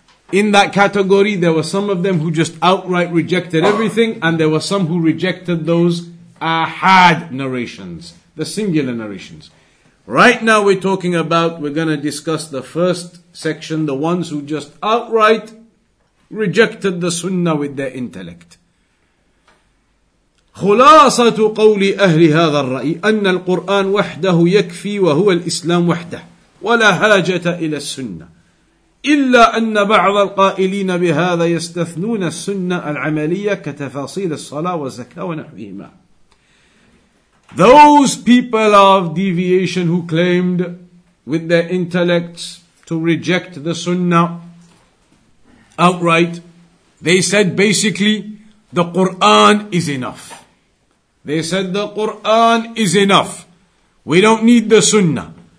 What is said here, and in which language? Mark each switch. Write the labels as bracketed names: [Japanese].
[English] In that category there were some of them who just outright rejected everything, and there were some who rejected those ahad narrations, the singular narrations. Right now we're talking about, we're going to discuss the first section, the ones who just outright rejected the sunnah with their intellect. [Arabic] خلاصة قول أهل هذا الرأي أن القرآن وحده يكفي وهو الإسلام وحده ولا حاجة إلى السنة إلا أن بعض القائلين بهذا يستثنون السنة العملية كتفاصيل الصلاة والزكاة ونحوهما. [English] Those people of deviation who claimed with their intellects to reject the sunnah outright, they said basically the Quran is enough. They said the Qur'an is enough. We don't need the sunnah.